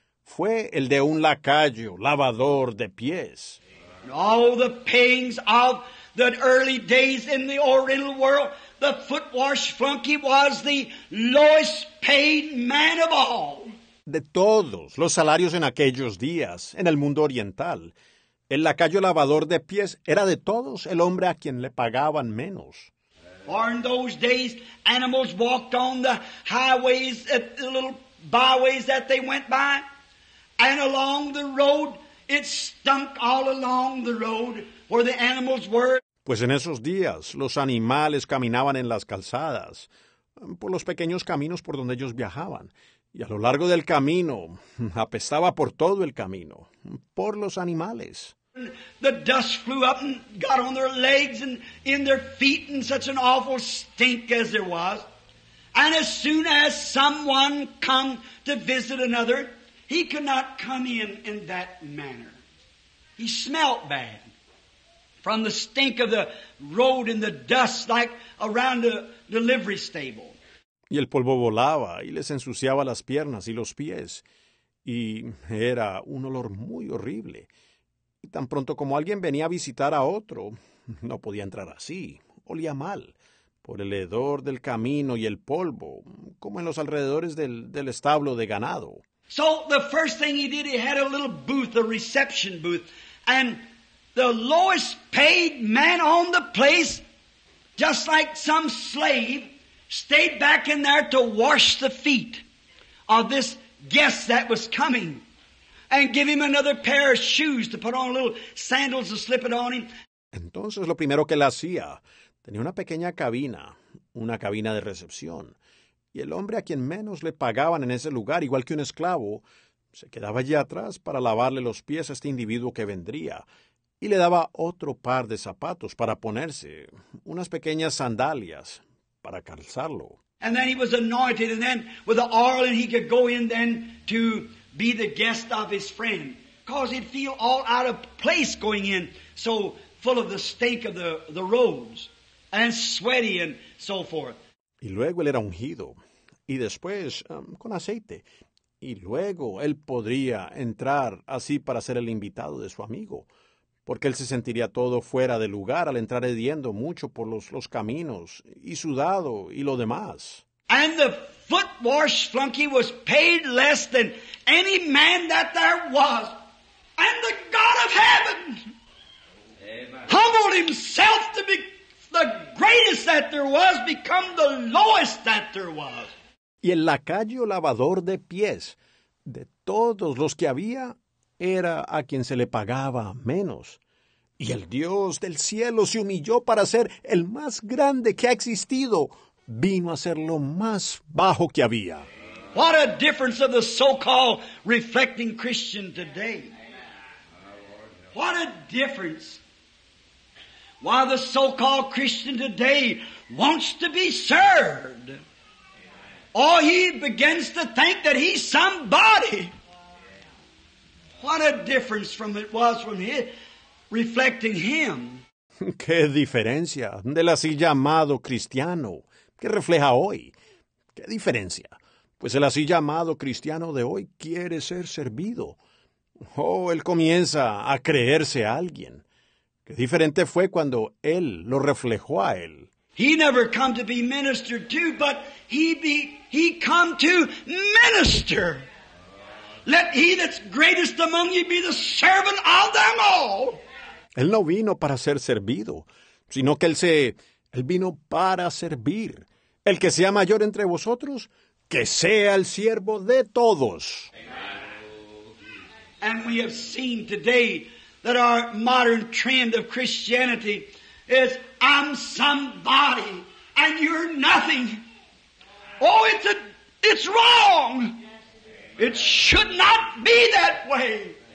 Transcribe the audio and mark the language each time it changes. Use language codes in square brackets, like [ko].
[es] Fue el de un lacayo, lavador de pies. [en] All the pains of the early days in the Oriental world, the foot wash flunky was the lowest paid man of all. [es] De todos los salarios en aquellos días, en el mundo oriental, el lacayo lavador de pies era de todos el hombre a quien le pagaban menos. [en] For in those days, animals walked on the highways, the little byways that they went by. And along the road, it stunk all along the road where the animals were. [es] Pues en esos días, los animales caminaban en las calzadas, por los pequeños caminos por donde ellos viajaban. Y a lo largo del camino, apestaba por todo el camino, por los animales. [en] And the dust flew up and got on their legs and in their feet and such an awful stink as there was. And as soon as someone come to visit another, he could not come in that manner. He smelt bad from the stink of the road and the dust like around the delivery stable. [es] Y el polvo volaba y les ensuciaba las piernas y los pies. Y era un olor muy horrible. Y tan pronto como alguien venía a visitar a otro, no podía entrar así. Olía mal por el hedor del camino y el polvo, como en los alrededores del establo de ganado. [en] So the first thing he did, he had a little booth, a reception booth, and the lowest paid man on the place, just like some slave, stayed back in there to wash the feet of this guest that was coming and give him another pair of shoes to put on, little sandals to slip it on him. [es] Entonces, lo primero que él hacía, tenía una pequeña cabina, una cabina de recepción. Y el hombre a quien menos le pagaban en ese lugar, igual que un esclavo, se quedaba allí atrás para lavarle los pies a este individuo que vendría. Y le daba otro par de zapatos para ponerse, unas pequeñas sandalias para calzarlo. [en] And then he was anointed, and then with the oil, and he could go in then to be the guest of his friend. Because he'd feel all out of place going in, so full of the stink of the roads, and sweaty and so forth. [es] Y luego él era ungido, y después con aceite. Y luego él podría entrar así para ser el invitado de su amigo, porque él se sentiría todo fuera de lugar al entrar hediendo mucho por los caminos, y sudado, y lo demás. [en] And the foot wash flunky was paid less than any man that there was. And the God of heaven humbled himself to be the greatest that there was, become the lowest that there was. [es] Y el lacayo lavador de pies de todos los que había era a quien se le pagaba menos. Y el Dios del cielo se humilló para ser el más grande que ha existido. Vino a ser lo más bajo que había. [en] What a difference of the so-called reflecting Christian today. What a difference. Why the so-called Christian today wants to be served. Or he begins to think that he's somebody. What a difference from it was from his reflecting him. [es] Qué diferencia del así llamado cristiano que refleja hoy. Qué diferencia. Pues el así llamado cristiano de hoy quiere ser servido. Oh, él comienza a creerse a alguien. Qué diferente fue cuando él lo reflejó a él. [en] He never come to be ministered to, but he come to minister. Let he that's greatest among you be the servant of them all. [es] Él no vino para ser servido, sino que él vino para servir. El que sea mayor entre vosotros, que sea el siervo de todos. [en] And we have seen today that our modern trend of Christianity is I'm somebody and you're nothing. Oh, it's wrong. It should not be that way.